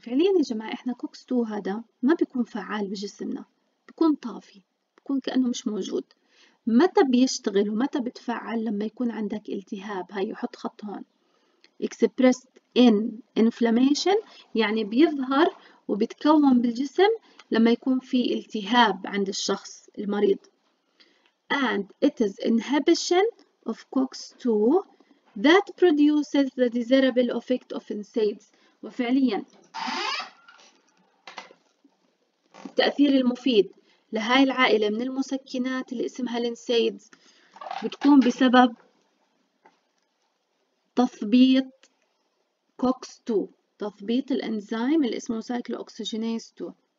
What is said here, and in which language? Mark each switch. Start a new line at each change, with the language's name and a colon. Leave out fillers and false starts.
Arabic: فعليا يا جماعة احنا كوكس 2 هذا ما بيكون فعال بجسمنا، بيكون طافي، بيكون كأنه مش موجود. متى بيشتغل ومتى بتفعل؟ لما يكون عندك التهاب. هاي حط خط هون،
English: expressed in inflammation
Arabic: يعني بيظهر وبتكون بالجسم لما يكون في التهاب عند الشخص المريض.
English: and it is inhibition of cox 2 that produces the desirable effect of NSAIDs.
Arabic: وفعليا التأثير المفيد لهاي العائلة من المسكنات اللي اسمها NSAIDs بتكون بسبب تثبيط COX-2، تثبيط الانزيم اللي اسمه سايكل اوكسجينيز 2.